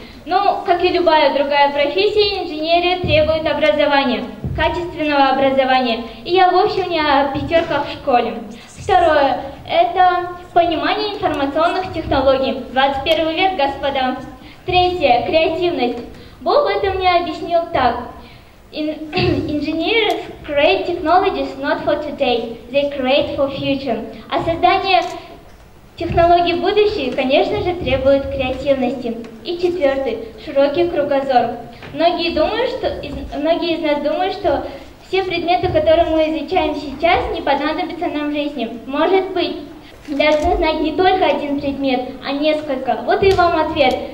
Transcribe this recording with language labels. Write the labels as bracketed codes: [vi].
[ru] Ну, как и любая другая профессия, инженерия требует образования, качественного образования. И я вовсе не о пятерках в школе. Второе – это понимание информационных технологий. 21 век, господа. Третье – креативность. Боб это мне объяснил так. [en] Engineers create technologies not for today, they create for future. [ru] А создание технологий будущего, конечно же, требует креативности. И четвертый – широкий кругозор. Многие из нас думают, что все предметы, которые мы изучаем сейчас, не понадобятся нам в жизни. Может быть, должны знать не только один предмет, а несколько. Вот и вам ответ.